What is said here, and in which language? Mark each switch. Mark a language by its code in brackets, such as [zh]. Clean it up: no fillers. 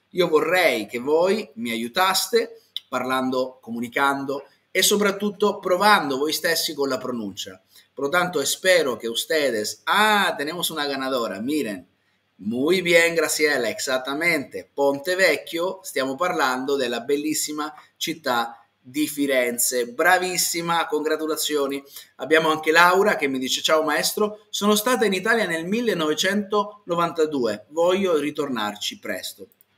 [it] Io vorrei che voi mi aiutaste parlando, comunicando e soprattutto provando voi stessi con la pronuncia. [es] Por lo tanto, espero que ustedes... Ah, tenemos una ganadora, miren. Muy bien, Graciela, exactamente. [it] Ponte Vecchio, stiamo parlando della bellissima città di Firenze. Bravissima, congratulazioni. Abbiamo anche Laura che mi dice: ciao maestro, sono stata in Italia nel 1992, voglio ritornarci presto.